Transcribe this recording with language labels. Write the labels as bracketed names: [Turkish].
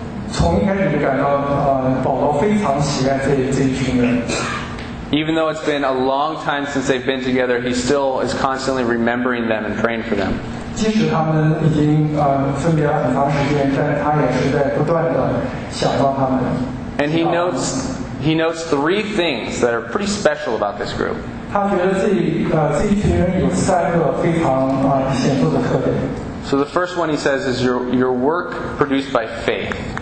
[Chinese] 从一开始就感到保罗非常喜爱这一群人。 [English] Even though it's been a long time since they've been together, he still is constantly remembering them and praying for them. [Chinese] 即使他们已经分别了很长时间，但他也是在不断的想到他们。 [English] And he notes. He notes three things that are pretty special about this group. So the first one he says is your work produced by faith.